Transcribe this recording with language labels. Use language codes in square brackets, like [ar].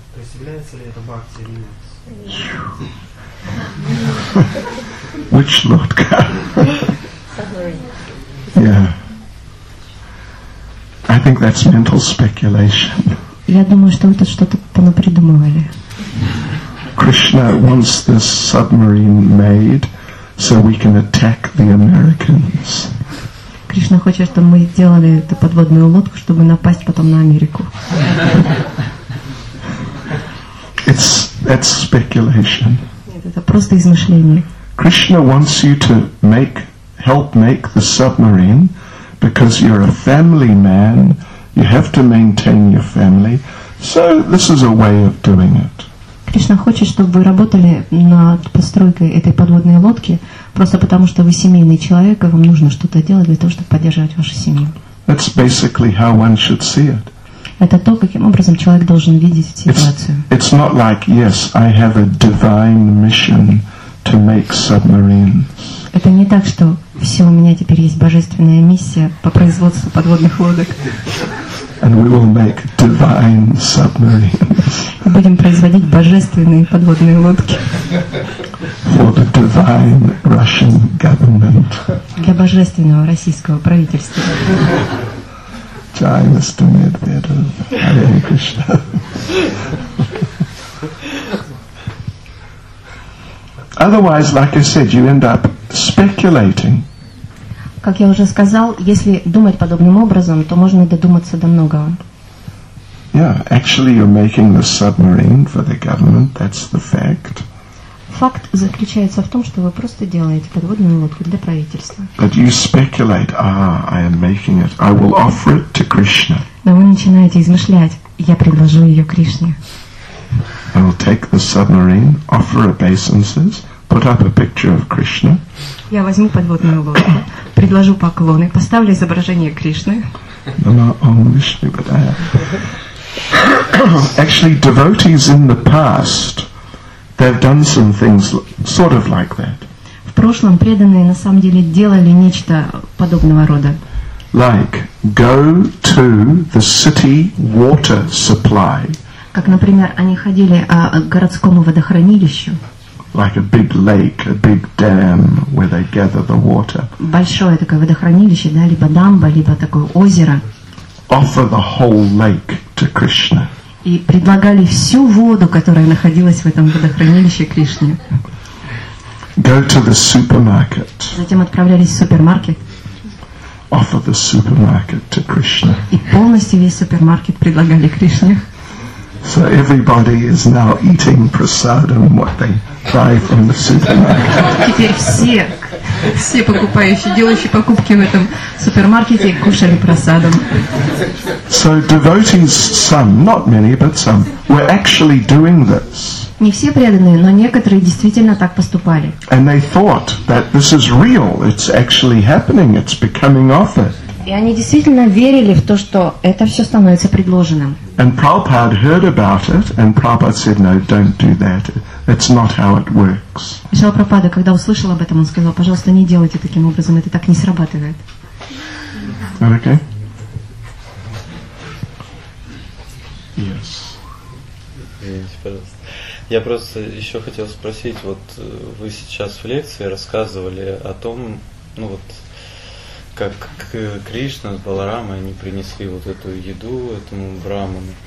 [ru] То есть является ли это бхакти или нет? [en] Which [ru] лодка? [en] Yeah. I think that's mental speculation. [ru] Я думаю, что это что-то понапридумывали. [en] Krishna wants this submarine made so we can attack the Americans. [ru] Кришна хочет, чтобы мы сделали эту подводную лодку, чтобы напасть потом на Америку. [en] It's speculation. [ru] Нет, это просто измышление. [en] Krishna wants you to help make the submarine because you're a family man, you have to maintain your family. So this is a way of doing it. [ru] Кришна хочет, чтобы вы работали над постройкой этой подводной лодки просто потому, что вы семейный человек, и вам нужно что-то делать для того, чтобы поддерживать вашу семью. [en] That's basically how one should see it. [ru] Это то, каким образом человек должен видеть ситуацию. [en] It's not like, yes, I have a divine mission to make submarines. [ru] Это не так, что все, у меня теперь есть божественная миссия по производству подводных лодок. [en] And we will make divine submarines. [ru] Будем производить божественные подводные лодки. [en] For the divine Russian government. [ru] Для божественного российского правительства. [en] Jai Mr. Medvedev, Hare Krishna. Otherwise, like I said, you end up speculating. [ru] Как я уже сказал, если думать подобным образом, то можно додуматься до многого. [en] Yeah, actually you're making the submarine for the government, that's the fact. [ru] Факт заключается в том, что вы просто делаете подводную лодку для правительства. [en] But you speculate, I am making it, I will offer it to Krishna. [ru] Но вы начинаете измышлять, я предложу ее Кришне. [en] I will take the submarine, offer obeisances, put up a picture of Krishna. [ru] Я возьму подводную лодку, предложу поклоны, поставлю изображение Кришны. [sa] Нама ом Вишну Падая. [en] Actually, devotees in the past, they've done some things sort of like that. [ru] В прошлом преданные на самом деле делали нечто подобного рода. [en] Like, go to the city water supply. [ru] Как, например, они ходили к городскому водохранилищу. [en] Like a big lake, a big dam where they gather the water. [ru] Большое такое водохранилище, да, либо дамба, либо такое озеро. [en] Offer the whole lake to Krishna. [ru] И предлагали всю воду, которая находилась в этом водохранилище Кришне. [en] Go to the supermarket. [ru] Затем отправлялись в супермаркет. [en] Offer the supermarket to Krishna. [ru] И полностью весь супермаркет предлагали Кришне. [en] So everybody is now eating prasadam, what they buy from the supermarket. [ru] Теперь все покупающие, делающие покупки в этом супермаркете, кушали прасадам. [en] So devotees, some, not many, but some, were actually doing this. [ru] Не все преданные, но некоторые действительно так поступали. [en] And they thought that this is real, it's actually happening, it's becoming offered. [ru] И они действительно верили в то, что это все становится предложенным. [en] And Prabhupada heard about it, and Prabhupada said, no, don't do that. It's not how it works. [ru] И Шрила Прабхупада, когда услышал об этом, он сказал, пожалуйста, не делайте таким образом, это так не срабатывает. [en] Okay. Yes. [ru] Извините, пожалуйста. Я просто еще хотел спросить, вот вы сейчас в лекции рассказывали о том, ну вот, как Кришна с Баларамой, они принесли вот эту еду этому браману.